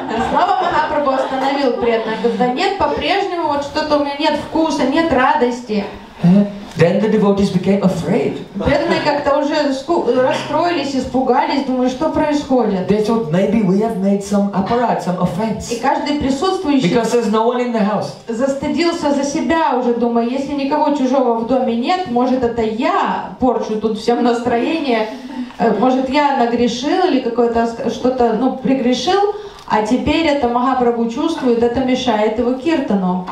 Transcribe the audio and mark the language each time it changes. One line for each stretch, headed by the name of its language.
Russian: Снова Махапрабху остановил преданных. Да нет, по-прежнему вот что-то у меня нет вкуса, нет радости.
English: Then the devotees became afraid.
Russian: Преданные как-то уже расстроились, испугались, думали, что происходит.
English: They thought maybe we have made some apparat, some offense.
Russian: И каждый присутствующий.
English: Because there's no one in the house.
Russian: Застыдился за себя уже, думая, если никого чужого в доме нет, может это я порчу тут всем настроение, может я нагрешил или какое-то что-то, ну, прегрешил, а теперь это Махапрабху чувствует, это мешает его киртану.